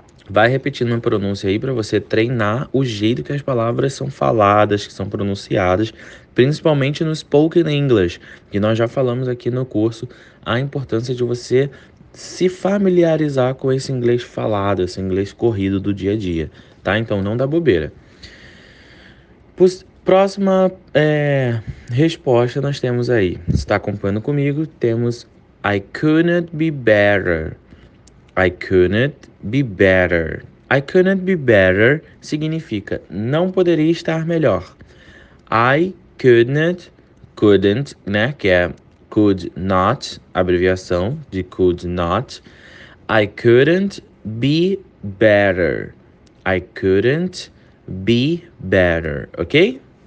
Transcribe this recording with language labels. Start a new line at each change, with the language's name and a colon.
Portuguese: Vai repetindo a pronúncia aí para você treinar o jeito que as palavras são faladas, que são pronunciadas, principalmente no spoken English, que nós já falamos aqui no curso a importância de você se familiarizar com esse inglês falado, esse inglês corrido do dia a dia. Tá? Então não dá bobeira. Próxima resposta nós temos aí. Você está acompanhando comigo?
English: Temos I couldn't be better. I couldn't be better. I couldn't be better
Portuguese: significa não poderia estar melhor.
English: I couldn't,
Portuguese: né? Que é
English: could not,
Portuguese: abreviação de
English: could not. I couldn't be better. I couldn't be better, ok?